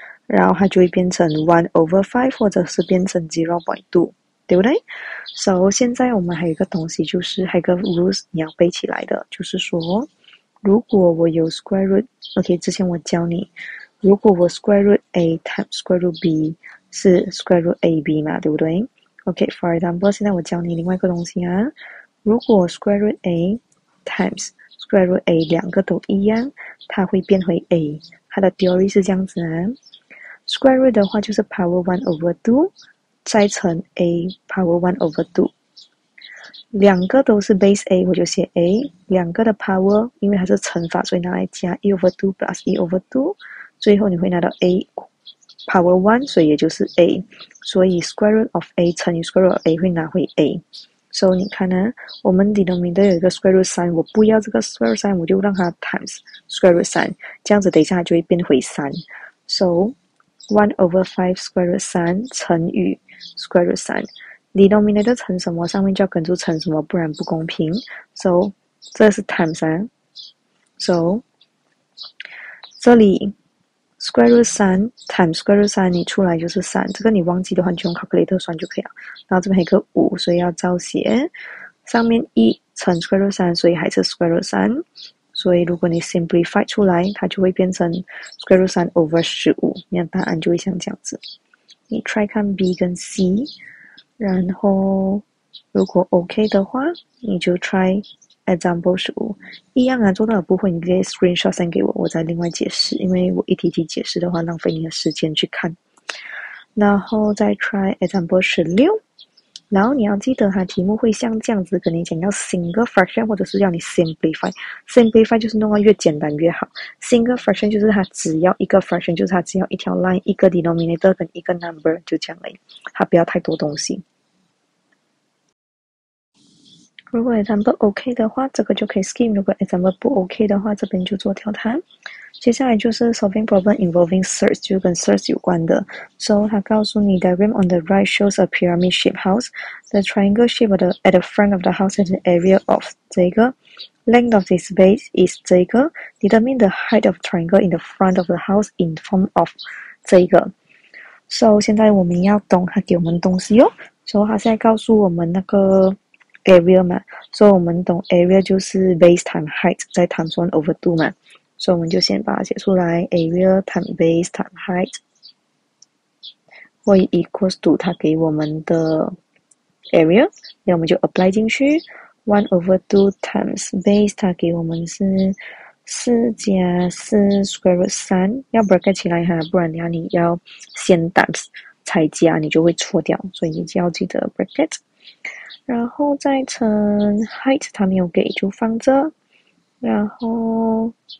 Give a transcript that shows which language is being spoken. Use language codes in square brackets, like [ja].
[zh] 然后它就会变成 one over five，或者是变成 0.2，对不对？So 现在我们还有一个东西，就是还有个 rules 你要背起来的，就是说，如果我有 square root，OK，之前我教你，如果我 square root a times square root b 是 square root ab 嘛，对不对？OK， for example，现在我教你另外一个东西啊，如果 square root a times square root a 两个都一样，它会变回 a，它的 theory 是这样子啊。 Square root 的话就是 power one over two 再乘 a power one over two，两个都是 base a，我就写 a 两个的 power，因为它是乘法，所以拿来加一 over two plus 一 over two，最后你会拿到 a power one，所以也就是 a，所以 square root of a 乘以 square root of a 会拿回 a。 So 你看呢，我们 denominator 有一个 square root 三，我不要这个 square root 三，我就让它 times square root 三，这样子等一下它就会变回三。 So one over five square root 三乘以 square root 三，denominator 乘什么，上面就要跟住乘什么，不然不公平。 So 这是 times 啊。 So 这里 square root 三 times square root 三，你出来就是三。这个你忘记的话，你就用 calculator 算就可以了。然后这边还有个五，所以要照写。上面一乘 square root 三，所以还是 square root 三。所以，如果你 simplify 出来，它就会变成 square root 3 over 15，那答案就会像这样子。你 try 看 B 跟 C，然后如果 OK 的话，你就 try example 15。一样啊，做到了不会，你直接 screenshot send 给我，我再另外解释。因为我一题题解释的话，浪费你的时间去看。然后再 try example 16。然后你要记得，它题目会像这样子跟你讲，要 single fraction 或者是要你 simplify。 simplify 就是弄到越简单越好， single fraction 就是它只要一个 fraction，就是它只要一条 line、一个 denominator 跟一个 number 就这样而已，它不要太多东西。如果 example OK 的话，这个就可以 skip；如果 example 不 OK 的话，这边就做掉它。接下来就是 solving problem involving search，就跟 search 有关的。 [en] So 它告诉你， diagram on the right shows a pyramid shaped house. The triangle shape at the front of the house has an area of 这个 length of this base is 这个 determine the height of triangle in the front of the house in form of 这个。 [zh] So 现在我们要懂它给我们东西哦。 So 它现在告诉我们那个 area 嘛，所以我们懂 area 就是 base times height 再 times one over two 嘛。所以我们就先把它写出来， area times base times height 会 equals to 它给我们的 area，然后我们就 apply 进去， one over two times base 它给我们是四加四 square root 三，要 bracket 起来哈，不然等下你要先 times 才加，你就会错掉，所以你就要记得 bracket，然后再乘 height，它没有给就放着，然后。